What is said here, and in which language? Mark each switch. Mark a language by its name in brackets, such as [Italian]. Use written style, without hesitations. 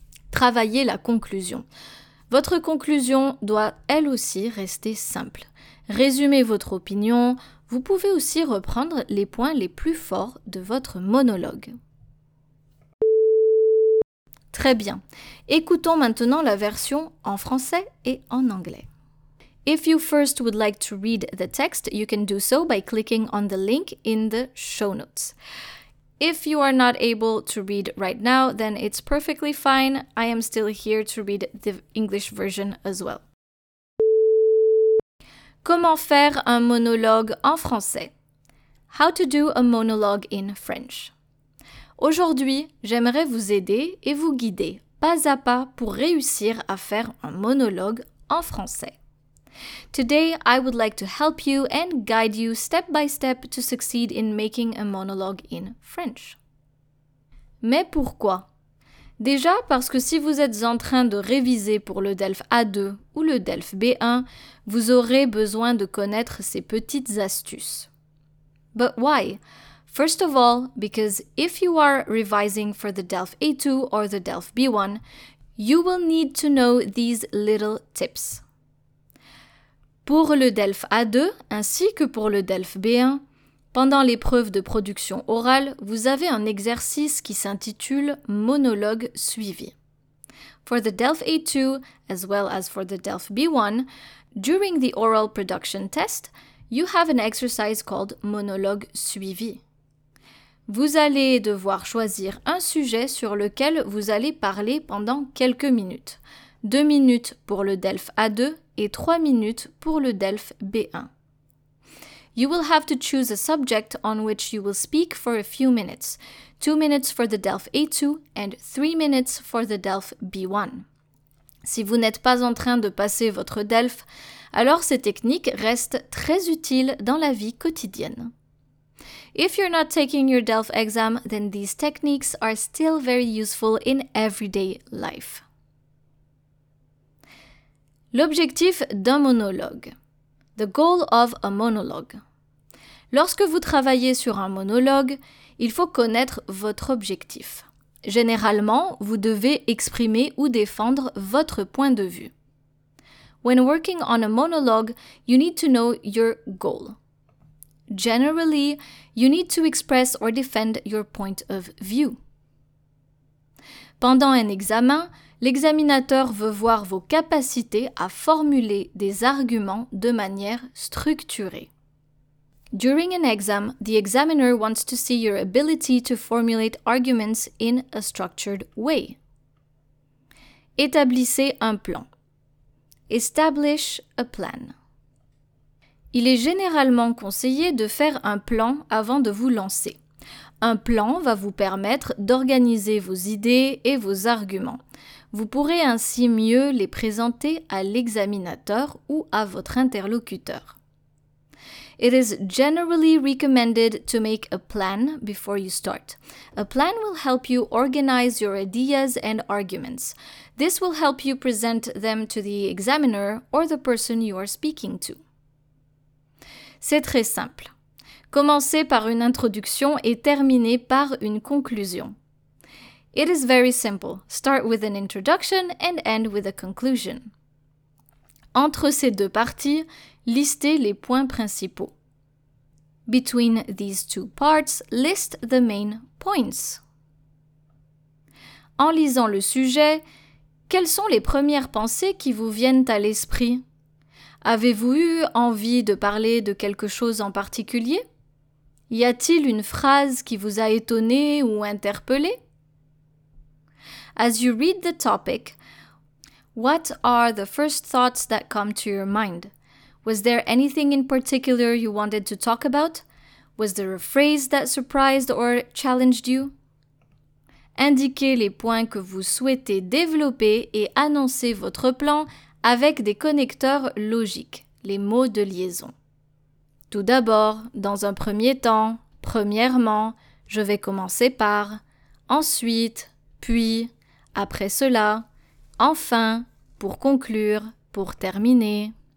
[French] Travaillez la conclusion. Votre conclusion doit elle aussi rester simple. Résumez votre opinion. Vous pouvez aussi reprendre les points les plus forts de votre monologue. Très bien. Écoutons maintenant la version en français et en anglais. [English] If you first would like to read the text, you can do so by clicking on the link in the show notes. If you are not able to read right now, then it's perfectly fine. I am still here to read the English version as well. [French] Comment faire un monologue en français? [English] How to do a monologue in French? [French] Aujourd'hui, j'aimerais vous aider et vous guider pas à pas pour réussir à faire un monologue en français. [English] Today, I would like to help you and guide you step by step to succeed in making a monologue in French. [French] Mais pourquoi? Déjà parce que si vous êtes en train de réviser pour le DELF A2 ou le DELF B1, vous aurez besoin de connaître ces petites astuces. [English] But why? First of all, because if you are revising for the DELF A2 or the DELF B1, you will need to know these little tips. [French] Pour le DELF A2 ainsi que pour le DELF B1, pendant l'épreuve de production orale, vous avez un exercice qui s'intitule monologue suivi. [English] For the DELF A2 as well as for the DELF B1, during the oral production test, you have an exercise called monologue suivi. [French] Vous allez devoir choisir un sujet sur lequel vous allez parler pendant quelques minutes. 2 minutes pour le DELF A2 et 3 minutes pour le DELF B1. [English] You will have to choose a subject on which you will speak for a few minutes. 2 minutes for the DELF A2 and 3 minutes for the DELF B1. [French] Si vous n'êtes pas en train de passer votre DELF, alors ces techniques restent très utiles dans la vie quotidienne. [English] If you're not taking your DELF exam, then these techniques are still very useful in everyday life. [French] L'objectif d'un monologue. [English] The goal of a monologue. [French] Lorsque vous travaillez sur un monologue, il faut connaître votre objectif. Généralement, vous devez exprimer ou défendre votre point de vue. [English] When working on a monologue, you need to know your goal. Generally, you need to express or defend your point of view. [French] Pendant un examen, l'examinateur veut voir vos capacités à formuler des arguments de manière structurée. [English] During an exam, the examiner wants to see your ability to formulate arguments in a structured way. [French] Établissez un plan. [English] Establish a plan. [French] Il est généralement conseillé de faire un plan avant de vous lancer. Un plan va vous permettre d'organiser vos idées et vos arguments. Vous pourrez ainsi mieux les présenter à l'examinateur ou à votre interlocuteur. [English] It is generally recommended to make a plan before you start. A plan will help you organize your ideas and arguments. This will help you present them to the examiner or the person you are speaking to. [French] C'est très simple. Commencez par une introduction et terminez par une conclusion. [English] It is very simple. Start with an introduction and end with a conclusion. [French] Entre ces deux parties, listez les points principaux. [English] Between these two parts, list the main points. [French] En lisant le sujet, quelles sont les premières pensées qui vous viennent à l'esprit? Avez-vous eu envie de parler de quelque chose en particulier? Y a-t-il une phrase qui vous a étonné ou interpellé? [English] As you read the topic, what are the first thoughts that come to your mind? Was there anything in particular you wanted to talk about? Was there a phrase that surprised or challenged you? [French] Indiquez les points que vous souhaitez développer et annoncez votre plan avec des connecteurs logiques, les mots de liaison. Tout d'abord, dans un premier temps, premièrement, je vais commencer par, ensuite, puis, après cela, enfin, pour conclure, pour terminer.